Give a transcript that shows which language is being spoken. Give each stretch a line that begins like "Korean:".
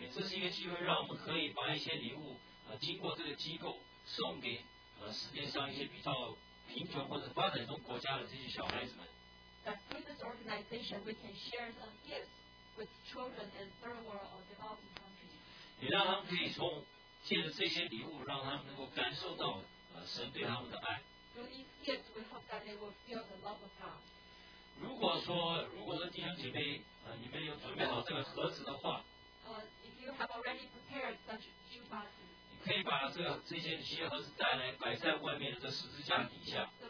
Chinese: 也这是一个机会，让我们可以把一些礼物经过这个机构送给世界上一些比较贫穷或者发展中国家的这些小孩子们。
English: That through this organization we can share some gifts with children in third world or developing countries。
Chinese: 也让他们可以从借着这些礼物，让他们能够感受到神对他们的爱。如果说弟兄姐妹你们有准备好这个盒子的话，你可以把这些鞋盒子带来，摆在外面的这十字架底下。